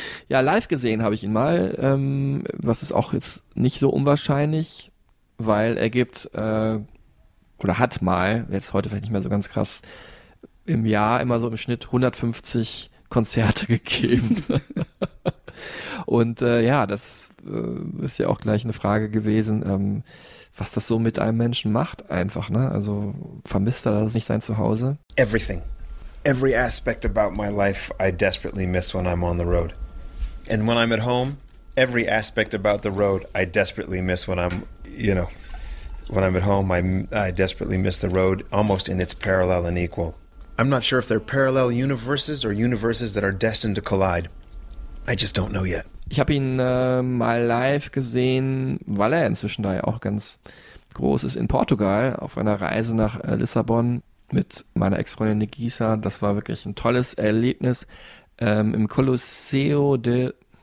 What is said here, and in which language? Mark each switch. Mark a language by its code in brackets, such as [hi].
[de] Ja, live gesehen habe ich ihn mal, was ist auch jetzt nicht so unwahrscheinlich, weil er gibt oder hat mal, jetzt heute vielleicht nicht mehr so ganz krass, im Jahr immer so im Schnitt 150 Konzerte gegeben. Und ja, das ist ja auch gleich eine Frage gewesen, was das so mit einem Menschen macht einfach, ne? Also vermisst er das nicht, sein Zuhause? [en] Everything. Every aspect about my life I desperately miss when I'm on the road. And when I'm at home, every aspect about the road I desperately miss when I'm, you know, when I'm at home, I desperately miss the road almost in its parallel and equal. I'm not sure if they're parallel universes or universes that are destined to collide. I just don't know yet. [de] Ich habe ihn mal live gesehen, weil er inzwischen da ja auch ganz groß ist, in Portugal, auf einer Reise nach Lissabon mit meiner Ex-Freundin Nigisa. Das war wirklich ein tolles Erlebnis. Im Colosseo de...